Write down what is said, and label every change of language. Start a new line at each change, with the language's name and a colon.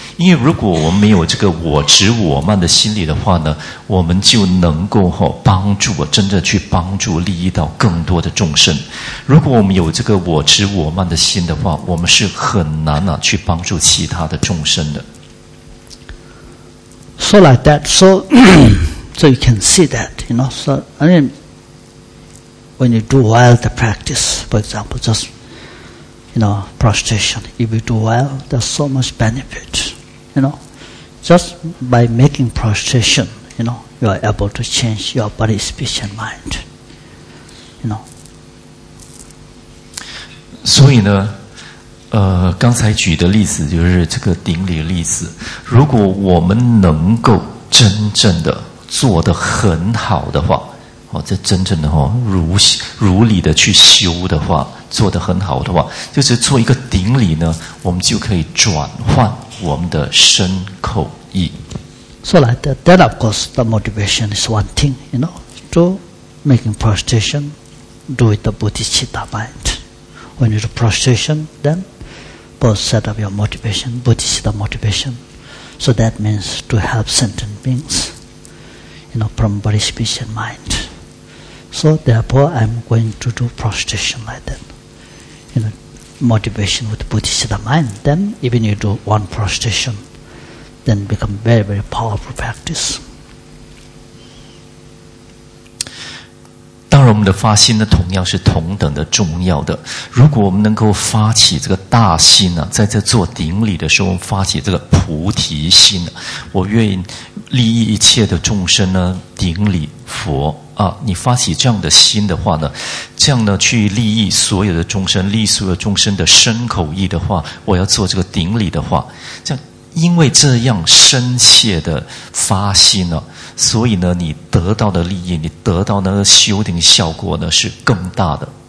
Chinese: 因为如果我们没有这个我执我慢的心理的话呢，我们就能够哈、哦、帮助真的去帮助利益到更多的众生。如果我们有这个我执我慢的心的话，我们是很难啊去帮助其他的众生的。
English: So like that, so you can see that, you know, so, I mean, when you do well the practice, for example, just, you know, prostration, if you do well, there's so much benefit, you know. Just by making prostration, you know, you are able to change your body, speech and mind, you know. So, you know,
Chinese: 刚才举的例子就是这个顶礼例子。如果我们能够真正的做得很好的话，哦，这真正的哦，如理的去修的话，做得很好的话，就是做一个顶礼呢，我们就可以转换我们的身口意。
English: So like that, then of course the motivation is one thing, you know, to making prostration, do it the bodhicitta mind. When you do prostration, then. Both set up your motivation, Buddhist motivation. So that means to help sentient beings, you know, from body, speech and mind. So therefore, I'm going to do prostration like that. You know, motivation with Buddhist mind. Then even you do one prostration, then become very, very powerful practice.
Chinese: 当然我们的发心呢同样是同等的重要的。如果我们能够发起这个大心呢、啊、在这做顶礼的时候发起这个菩提心、啊、我愿意利益一切的众生呢顶礼佛啊，你发起这样的心的话呢，这样呢去利益所有的众生，利益所有众生的身口意的话，我要做这个顶礼的话，这样因为这样深切的发心了、啊，所以呢，你得到的利益，你得到那个修行效果呢，是更大的。